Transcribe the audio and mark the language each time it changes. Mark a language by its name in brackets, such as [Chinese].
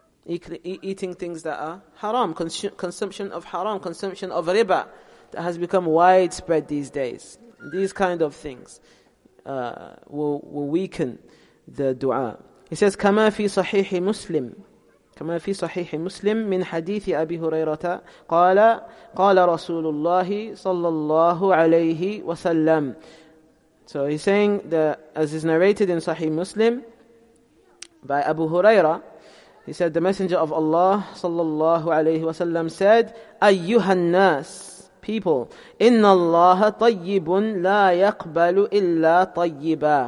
[English] eating things that are haram, consumption of haram, consumption of riba, that has become widespread these days. These kind of things will weaken the dua. He says, [Arabic] كَمَا فِي صَحِيحِ مُسْلِمِ كما في صحيح مسلم من حديث أبي هريرة قال قال رسول الله صلى الله عليه وسلم. [English] So he's saying that as is narrated in Sahih Muslim by Abu Huraira, he said the Messenger of Allah صلى الله عليه وسلم said, [Arabic] أيها الناس, [English] people, [Arabic] إن الله طيب لا يقبل إلا طيبا.